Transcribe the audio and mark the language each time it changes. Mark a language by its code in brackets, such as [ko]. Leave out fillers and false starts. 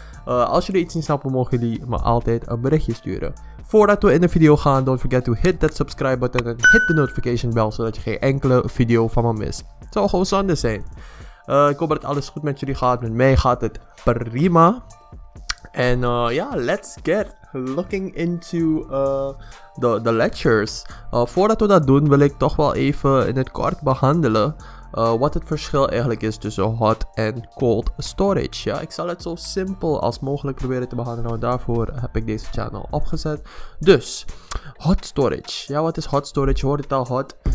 [nl] Als jullie iets niet snappen, mogen jullie me altijd een berichtje sturen. Voordat we in de video gaan, [en] don't forget to hit that subscribe button [nl] en hit de notification bell, zodat je geen enkele video van me mist. Het zou gewoon zonde zijn. Ik hoop dat alles goed met jullie gaat, met mij gaat het prima. [en] En let's get looking into the ledgers. [nl] Voordat we dat doen, wil ik toch wel even in het kort behandelen wat het verschil eigenlijk is tussen hot en cold storage. Ja, ik zal het zo simpel als mogelijk proberen te behandelen. Nou, daarvoor heb ik deze channel opgezet. Dus, hot storage. Ja, wat is hot storage? Je hoort het al, hot.